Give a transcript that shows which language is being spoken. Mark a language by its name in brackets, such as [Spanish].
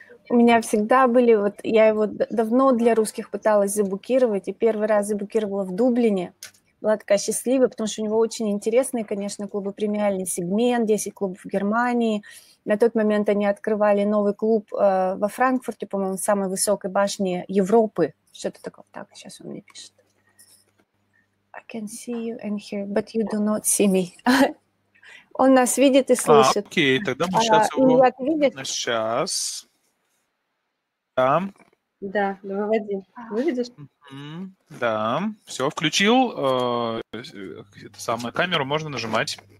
[Russian] У меня всегда были, вот я его давно для русских пыталась заблокировать, и первый раз заблокировала в Дублине. Была такая счастливая, потому что у него очень интересные, конечно, клубы, премиальный сегмент, 10 клубов в Германии. На тот момент они открывали новый клуб во Франкфурте, по-моему, в самой высокой башне Европы. Что-то такое. Так, сейчас он мне пишет. [English] I can see you and hear, but you do not see me. [Russian] Он нас видит и слышит. Окей, тогда мы сейчас его... Он видит? Сейчас. Да. Да, выводи. Выведешь? Да, все, включил это самое, камеру можно нажимать.